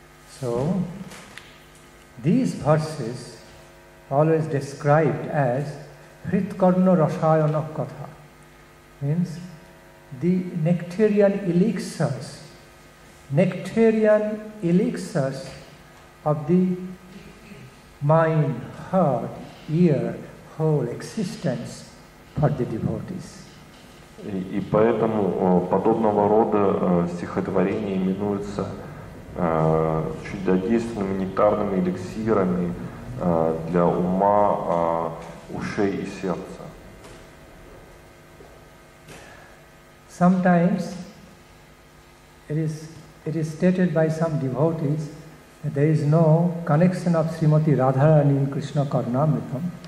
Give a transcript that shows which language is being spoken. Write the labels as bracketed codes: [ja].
[en] So, these verses always described as Hritkarna Rasayana Katha, means the nectarian elixirs of the mind, heart, ear, whole existence for the devotees. [ru] И поэтому подобного рода стихотворения именуются чудодейственными нектарными эликсирами для ума, ушей и сердца. [en] Sometimes it is stated by some devotees that there is no connection of Srimati Radharani in Krishna Karnamritam.